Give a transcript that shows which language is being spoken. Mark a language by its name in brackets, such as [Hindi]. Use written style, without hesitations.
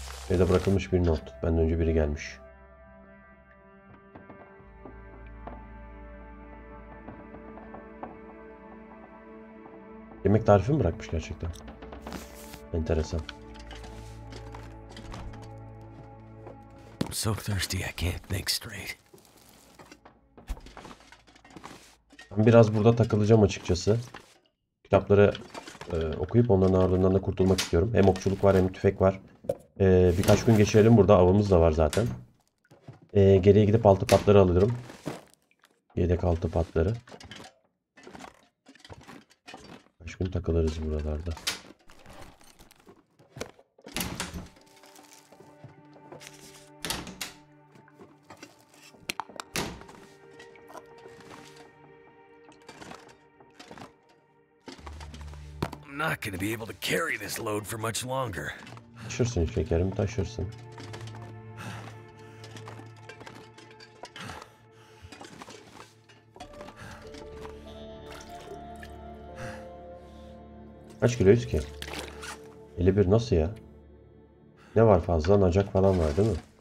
[Turkish] Evde bırakılmış bir not. Benden önce biri gelmiş. Yemek tarifi mi bırakmış gerçekten? Enteresan. [English] So thirsty I can't think straight. [Turkish] Ben biraz burada takılacağım açıkçası. Kitapları okuyup onların ağırlığından da kurtulmak istiyorum. Hem okçuluk var hem tüfek var. Birkaç gün geçirelim burada. Avımız da var zaten. Geriye gidip altı patları alırım. Yedek altı patları. Birkaç gün takılırız buralarda. [English] Not gonna be able to carry this load for much longer. [Turkish] Taşırsın şekerim, taşırsın. Kaç kiloyuz ki? 51 nasıl ya? Ne var fazla? Nacak falan var değil mi?